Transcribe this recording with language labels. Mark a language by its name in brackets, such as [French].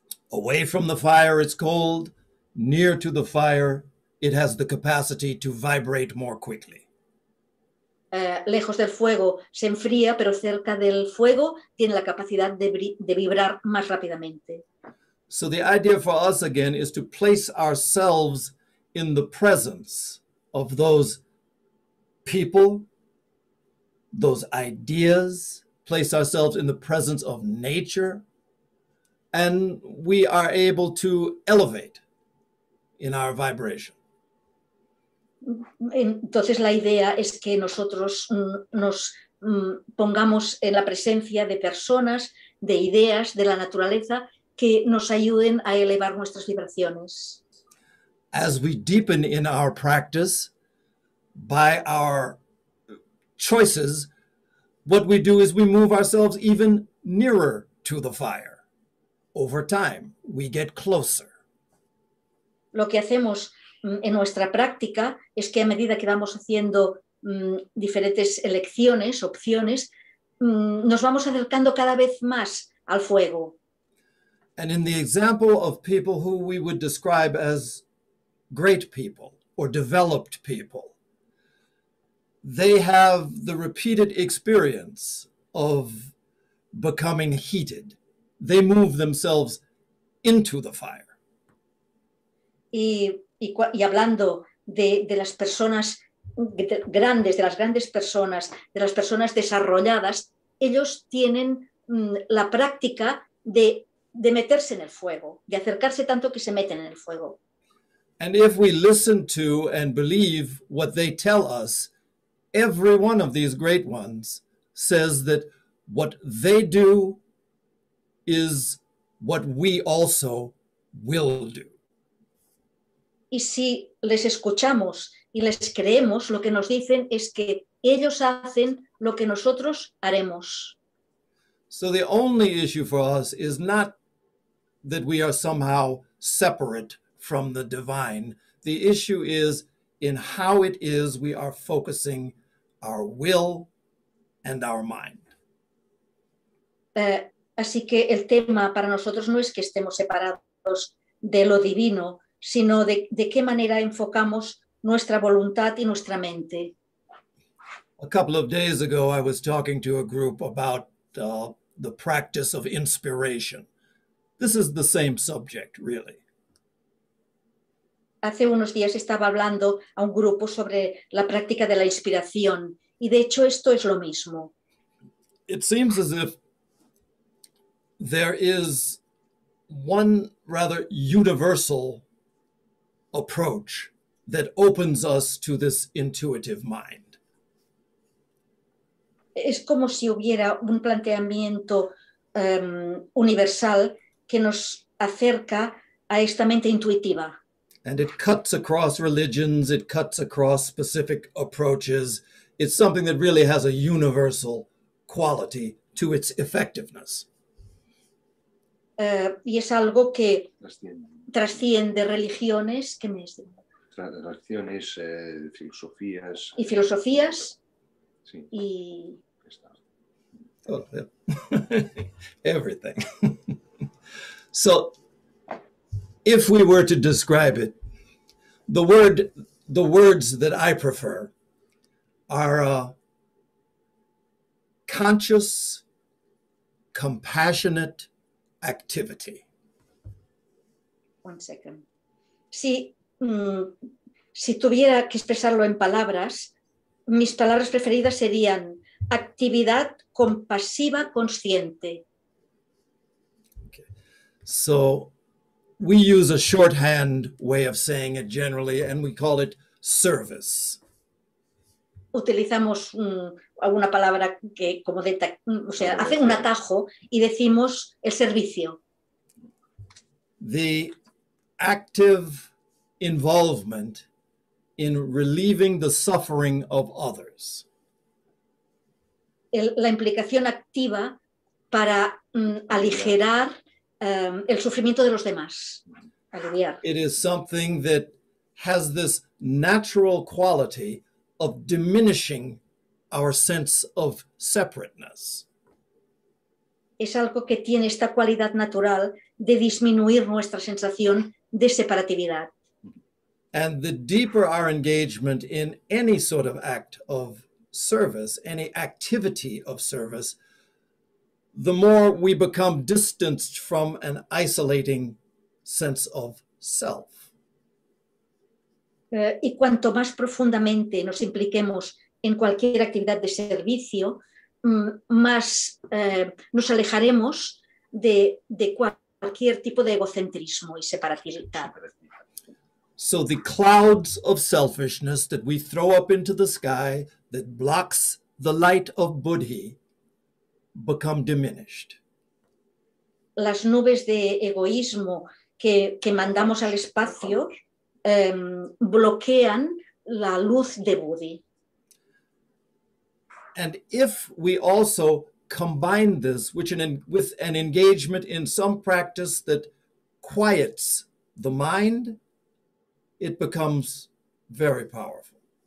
[English] Away from the fire, it's cold. Near to the fire, it has the capacity to vibrate more quickly. [Spanish] Lejos del fuego se enfría, pero cerca del fuego tiene la capacidad de vibrar más rápidamente. [English] So the idea for us again is to place ourselves in the presence of those people, those ideas, place ourselves in the presence of nature, and we are able to elevate in our vibration. [Spanish] Entonces la idea es que nosotros nos pongamos en la presencia de personas, de ideas, de la naturaleza que nos ayuden a elevar nuestras vibraciones. [English] As we deepen in our practice, by our choices, what we do is we move ourselves even nearer to the fire. Over time, we get closer. [Spanish] Lo que hacemos en nuestra práctica es que a medida que vamos haciendo diferentes elecciones, opciones, nos vamos acercando cada vez más al fuego. [English] And in the example of people who we would describe as great people or developed people, they have the repeated experience of becoming heated. They move themselves into the fire. [Spanish] Y hablando de las personas grandes, de las grandes personas, de las personas desarrolladas, ellos tienen la práctica de meterse en el fuego, de acercarse tanto que se meten en el fuego. [English] And if we listen to and believe what they tell us, every one of these great ones says that what they do is what we also will do. [Spanish] Y si les escuchamos y les creemos, lo que nos dicen es que ellos hacen lo que nosotros haremos. [English] So the only issue for us is not that we are somehow separate from the divine. The issue is in how it is we are focusing our will and our mind. [Spanish] Así que el tema para nosotros no es que estemos separados de lo divino, sino de qué manera enfocamos nuestra voluntad y nuestra mente. [English] A couple of days ago, I was talking to a group about the practice of inspiration. This is the same subject, really. [Spanish] Hace unos días estaba hablando a un grupo sobre la práctica de la inspiración, y de hecho esto es lo mismo. [English] It seems as if there is one rather universal approach that opens us to this intuitive mind. [Spanish] Es como si hubiera un planteamiento universal que nos acerca a esta mente intuitiva. [English] And it cuts across religions, it cuts across specific approaches. It's something that really has a universal quality to its effectiveness. [Spanish] Y es algo que trasciende religiones, ¿qué me dice? Tradiciones, filosofías. Y filosofías. Sí. Y... [English] Oh, yeah. Everything. So, if we were to describe it, the words that I prefer are conscious, compassionate activity. One second. [Spanish] Si tuviera que expresarlo en palabras, mis palabras preferidas serían actividad compasiva consciente. [English] So, we use a shorthand way of saying it generally, and we call it service. [Spanish] Utilizamos alguna palabra que como de, o sea, hace un atajo y decimos el servicio. [English] The active involvement in relieving the suffering of others. [Spanish] La implicación activa para aligerar el sufrimiento de los demás, aliviar. [English] It is something that has this natural quality of diminishing our sense of separateness. [Spanish] Es algo que tiene esta cualidad natural de disminuir nuestra sensación de separatividad. [English] And the deeper our engagement in any sort of act of service, any activity of service, the more we become distanced from an isolating sense of self. [Spanish] Y cuanto más profundamente nos impliquemos en cualquier actividad de servicio, más nos alejaremos de cualquier tipo de egocentrismo y separatividad. [English] So the clouds of selfishness that we throw up into the sky that blocks the light of buddhi become diminished. [Spanish] Las nubes de egoísmo que mandamos al espacio bloquean la luz de Buddha. [English] And if we also combine this with an engagement in some practice that quiets the mind, it becomes very powerful.